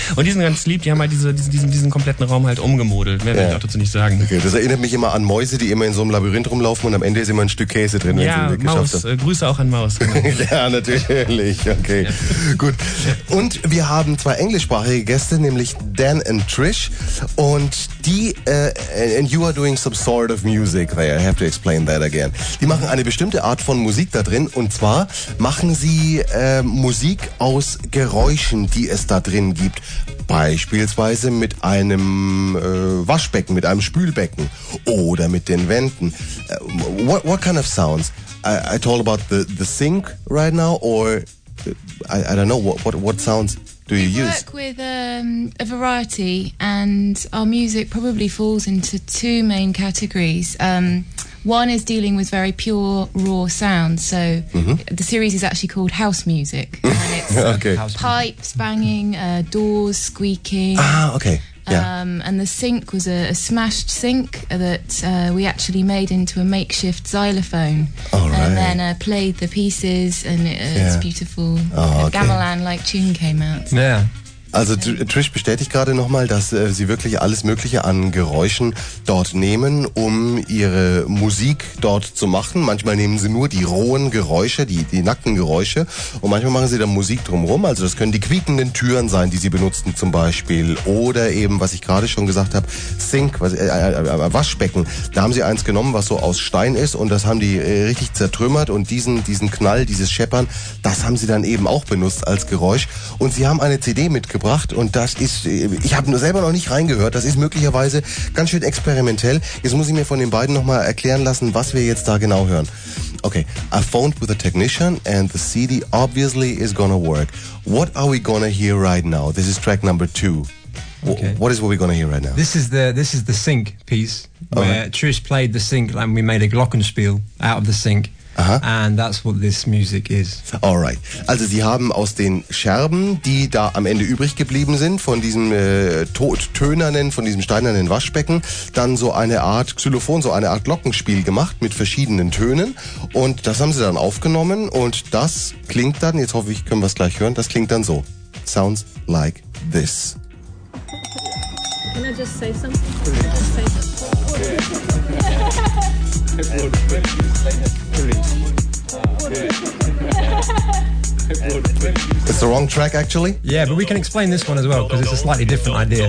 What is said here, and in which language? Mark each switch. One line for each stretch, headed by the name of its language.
German: Und die sind ganz lieb, die haben halt diesen kompletten Raum halt umgemodelt. Mehr will ich auch dazu nicht sagen. Okay, das erinnert mich immer an Mäuse, die immer in so einem Labyrinth rumlaufen und am Ende ist immer ein Stück Käse drin. Ja, Maus. Grüße auch an Maus. Genau. Ja, natürlich. Okay, gut. Und wir haben zwei englischsprachige Gäste, nämlich Dan und Trish. Und die,
English: and you are doing some sort of music there. I have to explain that again.
German: Die machen eine bestimmte Art von Musik da drin. Und zwar machen sie Musik aus Geräuschen, die es da drin gibt. Beispielsweise mit einem Waschbecken, mit einem Spülbecken oder mit den Wänden.
English: What kind of sounds? I told about the sink right now, or I don't know what sounds do you use? We work with a variety, and our music probably falls into two main categories. One is dealing with very pure, raw sounds. So the series is actually called House Music. And it's okay. Pipes banging, doors squeaking. Ah, okay. Yeah. And the sink was a smashed sink that we actually made into a makeshift xylophone. All right. And then played the pieces, and it's beautiful. Oh, okay. A gamelan-like tune came out. Yeah.
German: Also Trish bestätigt gerade nochmal, dass sie wirklich alles Mögliche an Geräuschen dort nehmen, um ihre Musik dort zu machen. Manchmal nehmen sie nur die rohen Geräusche, die nackten Geräusche, und manchmal machen sie dann Musik drumherum. Also das können die quiekenden Türen sein, die sie benutzen zum Beispiel. Oder eben, was ich gerade schon gesagt habe, Sink, Waschbecken. Da haben sie eins genommen, was so aus Stein ist, und das haben die richtig zertrümmert, und diesen Knall, dieses Scheppern, das haben sie dann eben auch benutzt als Geräusch. Und sie haben eine CD mitgebracht, und das ist, ich habe nur selber noch nicht reingehört, das ist möglicherweise ganz schön experimentell. Jetzt muss ich mir von den beiden nochmal erklären lassen, was wir jetzt da genau hören.
English: Okay, I phoned with a technician and the CD obviously is gonna work. What are we gonna hear right now? This is track number 2. Okay. What is what we're gonna hear right now? This is the sink piece where Trish played the sink and we made a Glockenspiel out of the sink. Aha. And that's what this music is. Alright.
German: Also sie haben aus den Scherben, die da am Ende übrig geblieben sind, von diesem Tottönernen, von diesem steinernen Waschbecken, dann so eine Art Xylophon, so eine Art Glockenspiel gemacht mit verschiedenen Tönen. Und das haben sie dann aufgenommen. Und das klingt dann, jetzt hoffe ich, können wir es gleich hören, das klingt dann so.
English: Sounds like this. Can I just say something? Can I just say something? It's the wrong track, actually. Yeah, but we can explain this one as well because it's a slightly different idea.